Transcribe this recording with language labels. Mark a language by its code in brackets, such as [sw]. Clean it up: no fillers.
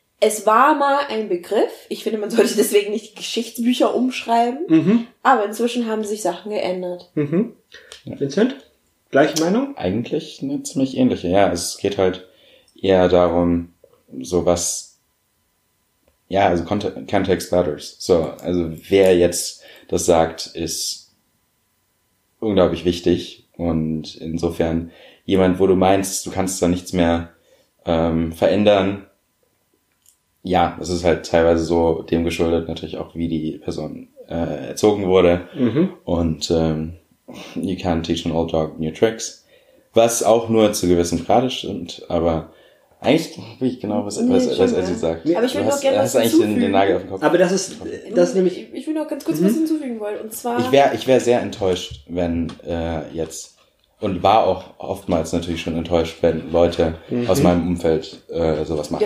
[de] Es war mal ein Begriff. Ich finde, man sollte deswegen nicht die Geschichtsbücher umschreiben. Aber inzwischen haben sich Sachen geändert. Vincent, gleiche Meinung? Eigentlich eine ziemlich ähnliche. Ja, es geht halt eher darum, so was... Ja, also [en] Context matters. [de] So, also wer jetzt das sagt, ist unglaublich wichtig. Und insofern jemand, wo du meinst, du kannst da nichts mehr verändern... Ja, es ist halt teilweise so dem geschuldet, natürlich auch, wie die Person erzogen wurde. [en] Und you can't teach an old dog new tricks. [de] Was auch nur zu gewissem Grade stimmt, aber eigentlich wie ich genau, was Elsie sagt. Aber ich würde noch gerne was hinzufügen. Hast den Nagel auf den Kopf. Aber das ist, nämlich... Ich würde noch ganz kurz was hinzufügen wollen, und zwar... Ich wäre sehr enttäuscht, wenn jetzt, und war auch oftmals natürlich schon enttäuscht, wenn Leute aus meinem Umfeld sowas machen.